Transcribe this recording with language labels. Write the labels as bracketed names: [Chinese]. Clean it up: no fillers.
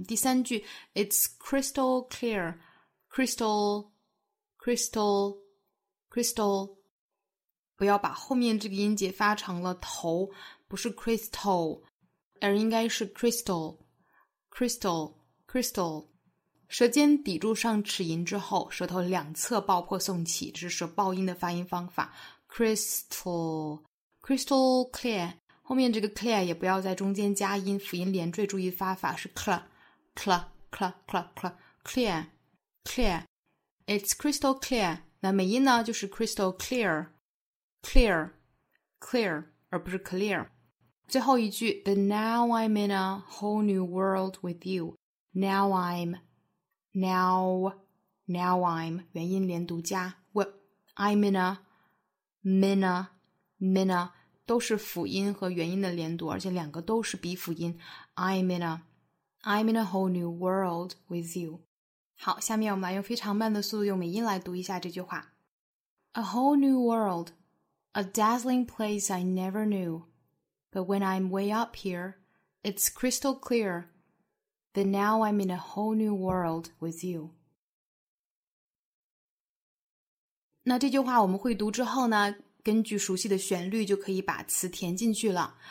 [Chinese] 第三句 , [English] it's crystal clear, [Chinese] crystal, crystal, crystal, 不要把后面这个音节发成了头不是 crystal, 而应该是 crystal, crystal, crystal, 舌尖抵住上齿龈之后舌头两侧爆破送气这是舌爆音的发音方法。 Crystal, crystal clear. 后面这个 clear 也不要在中间加音，辅音连缀，注意发法是 cl, cl, cl, cl, cl, clear, clear. [English] It's crystal clear. [Chinese] 那美音呢，就是 crystal clear, clear, clear, 而不是 clear. 最后一句 [English] ，The now I'm in a whole new world with you. Now I'm, now, now I'm. [Chinese] 元音连读加 w, I'm in a. Mina, Mina 都是辅音和元音的连读，而且两个都是鼻辅音。 [English] I'm in a whole new world with you. [Chinese] 好，下面我们来用非常慢的速度用美音来读一下这句话。 [English] A whole new world, a dazzling place I never knew. But when I'm way up here, it's crystal clear that now I'm in a whole new world with you. [Chinese] 那这句话我们会读之后呢，根据熟悉的旋律就可以把词填进去了。